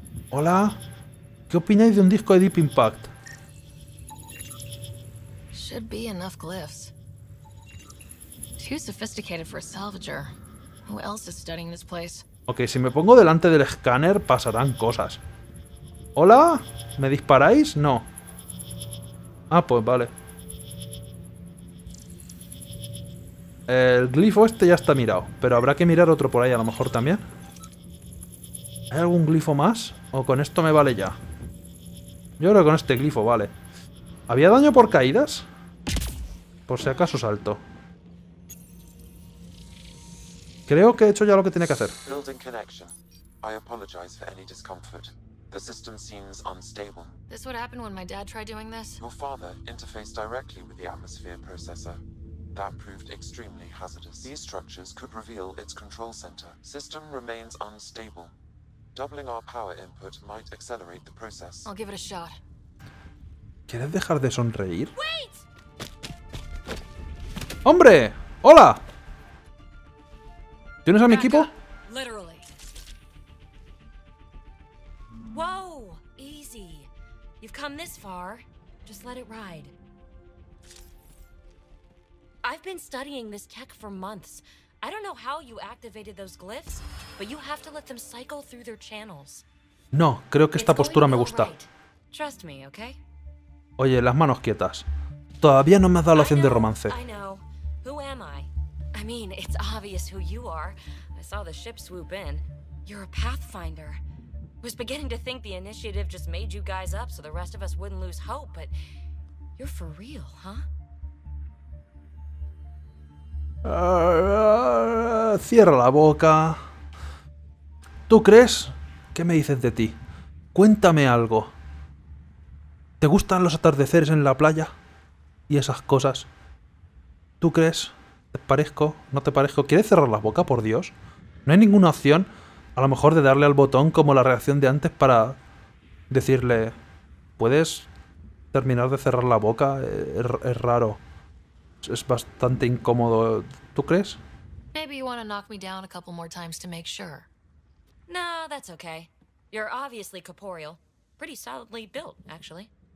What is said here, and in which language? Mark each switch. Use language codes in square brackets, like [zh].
[es] Hola. ¿Qué opináis de un disco de Deep Impact? [en] Should be enough glyphs. Too sophisticated for a salvager. Who else is studying this place? [es] Okay, si me pongo delante del escáner pasarán cosas. Hola, ¿me disparáis? No. Ah, pues vale. El glifo este ya está mirado, pero habrá que mirar otro por ahí a lo mejor también. ¿Hay algún glifo más? ¿O con esto me vale ya? Yo creo que con este glifo vale. ¿Había daño por caídas? Por si acaso salto. Creo que he hecho ya lo que tiene que hacer. [en] Building connection. I apologize for any discomfort. The system seems unstable. This would happen when my dad tried doing this. Your father interfaced directly with the atmosphere processor. That proved extremely hazardous. These structures could reveal its control center. System remains unstable. Doubling our power input might accelerate the process. I'll give it a shot. [es] ¿Quieres dejar de sonreír? [en] Wait. [es] Hombre, hola. ¿Tienes a mi equipo? [en] Literally. Whoa, easy. You've come this far. Just let it ride. I've been studying this tech for months. I don't know how you activated those glyphs, but you have to let them cycle through their channels. [es] No, creo que esta postura me gusta. [en] Trust me, okay? [es] Oye, las manos quietas. Todavía no me has dado la opción de romance. [en] I know. Who am I? I mean, it's obvious who you are. I saw the ship swoop in. You're a pathfinder. Was beginning to think the initiative just made you guys up so the rest of us wouldn't lose hope, but you're for real, huh? [es] Cierra la boca. ¿Tú crees? ¿Qué me dices de ti? Cuéntame algo. ¿Te gustan los atardeceres en la playa? Y esas cosas. ¿Tú crees? ¿Te parezco? ¿No te parezco? ¿Quieres cerrar la boca, por Dios? No hay ninguna opción, a lo mejor, de darle al botón como la reacción de antes para decirle... ¿Puedes terminar de cerrar la boca? Es raro. Es bastante incómodo. ¿Tú crees? [en] Maybe you want to knock me down a couple more times to make sure. No, that's okay. You're obviously corporeal. Pretty solidly built, actually.